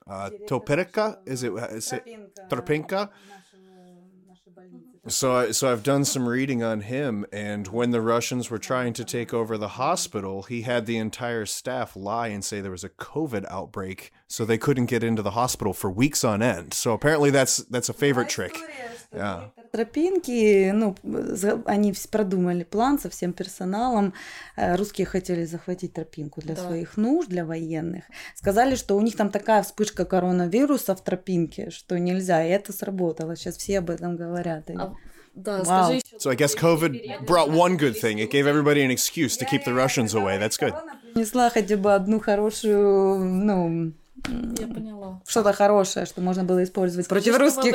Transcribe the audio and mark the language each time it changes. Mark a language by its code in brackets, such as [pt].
[en] Toperka? Is it Tropinka? So I've done some reading on him, and when the Russians were trying to take over the hospital, he had the entire staff lie and say there was a COVID outbreak, so they couldn't get into the hospital for weeks on end. So apparently that's a favorite trick. Yeah. [ru] Тропинки, ну, они продумали план со всем персоналом. Русские хотели захватить Тропинку для своих нужд, для военных. Сказали, что у них там такая вспышка коронавируса в Тропинке, что нельзя. И это сработало. Сейчас все об этом говорят. [en] Wow. So I guess COVID brought one good thing. It gave everybody an excuse to keep the Russians away. That's good. [ru] Принесла хотя бы одну хорошую, ну, Что-то хорошее, что можно было использовать против русских.